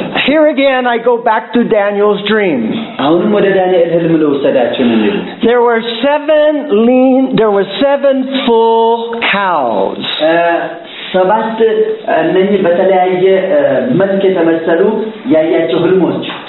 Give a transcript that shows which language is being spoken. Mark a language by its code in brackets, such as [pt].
[en] Here again I go back to Daniel's dream. [am] አሁንም ወደ ዳንኤል ህልም ልወሰዳችሁ ነው [en] There were seven lean there were seven full cows. [am] ሰባት እነኚ በተለያየ መልክ የተመሰሉ ያያቸው ህልሞች